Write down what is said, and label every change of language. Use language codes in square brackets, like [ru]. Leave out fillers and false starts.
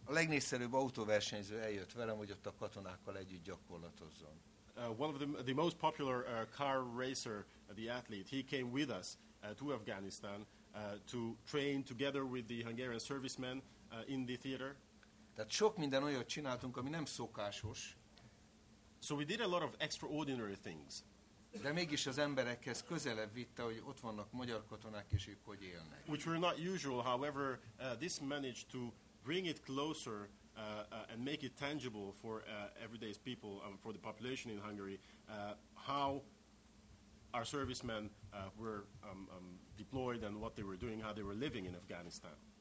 [hu] A legnépszerűbb autóversenyző eljött velem, hogy ott a katonákkal együtt gyakorlatozzon. [en] One of the most popular car racer, the athlete, he came with us to Afghanistan to train together with the Hungarian servicemen in the theater. [hu] Tehát sok minden olyat csináltunk, ami nem szokásos. [en] So we did a lot of extraordinary things. [hu] De mégis az emberekhez közelebb vitte, hogy ott vannak magyar katonák, és ők hogy élnek. [en] Which were not usual, however, this managed to bring it closer and make it tangible for everyday people, for the population in Hungary, how our servicemen were deployed and what they were doing, how they were living in Afghanistan.